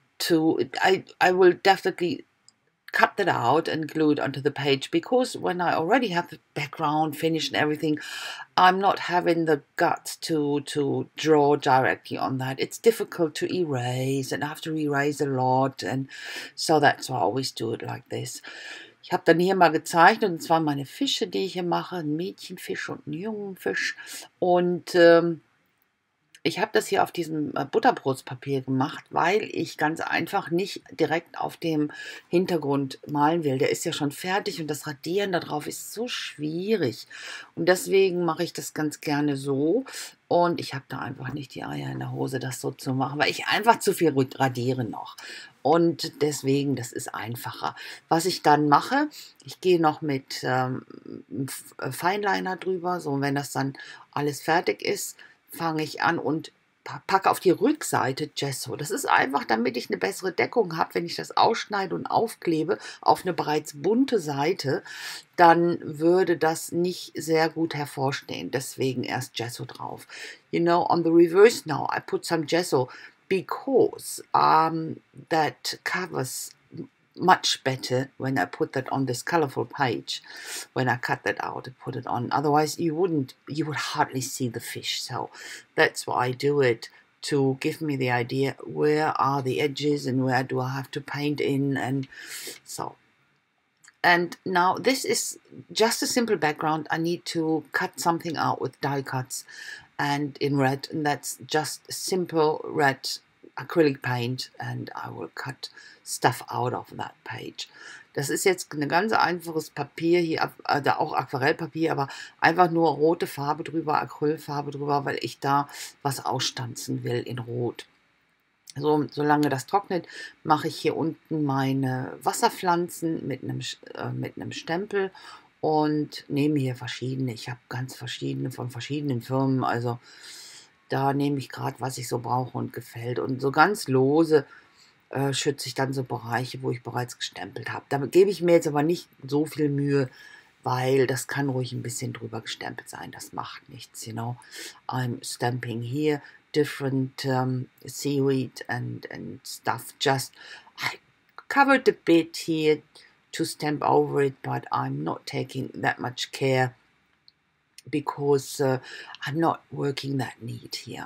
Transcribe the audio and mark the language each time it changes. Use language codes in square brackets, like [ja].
[en] I will definitely cut that out and glue it onto the page, because when I already have the background finished and everything, I'm not having the guts to draw directly on that. It's difficult to erase, and I have to erase a lot, and so that's why I always do it like this. [de] Ich habe dann hier mal gezeichnet, und zwar meine Fische, die ich hier mache, ein Mädchenfisch und ein Jungenfisch, und ich habe das hier auf diesem Butterbrotpapier gemacht, weil ich ganz einfach nicht direkt auf dem Hintergrund malen will. Der ist ja schon fertig, und das Radieren darauf ist so schwierig. Und deswegen mache ich das ganz gerne so. Und ich habe da einfach nicht die Eier in der Hose, das so zu machen, weil ich einfach zu viel radiere noch. Und deswegen, das ist einfacher. Was ich dann mache, ich gehe noch mit Feinliner drüber, so, wenn das dann alles fertig ist, fange ich an und packe auf die Rückseite Gesso. Das ist einfach, damit ich eine bessere Deckung habe. Wenn ich das ausschneide und aufklebe auf eine bereits bunte Seite, dann würde das nicht sehr gut hervorstehen. Deswegen erst Gesso drauf. [en] You know, on the reverse now, I put some Gesso because that covers much better when I put that on this colorful page. When I cut that out and put it on, otherwise you would hardly see the fish. So that's why I do it, to give me the idea where are the edges and where do I have to paint in. And so, and now this is just a simple background. I need to cut something out with die cuts and in red, and that's just simple red acrylic paint, and I will cut stuff out of that page. [de] Das ist jetzt ein ganz einfaches Papier hier, also auch Aquarellpapier, aber einfach nur rote Farbe drüber, Acrylfarbe drüber, weil ich da was ausstanzen will in Rot. So, solange das trocknet, mache ich hier unten meine Wasserpflanzen mit einem Stempel und nehme hier verschiedene. Ich habe ganz verschiedene von verschiedenen Firmen, also da nehme ich gerade, was ich so brauche und gefällt. Und so ganz lose schütze ich dann so Bereiche, wo ich bereits gestempelt habe. Da gebe ich mir jetzt aber nicht so viel Mühe, weil das kann ruhig ein bisschen drüber gestempelt sein. Das macht nichts, [en] you know. I'm stamping here different seaweed and stuff. Just, I covered a bit here to stamp over it, but I'm not taking that much care because I'm not working that neat here.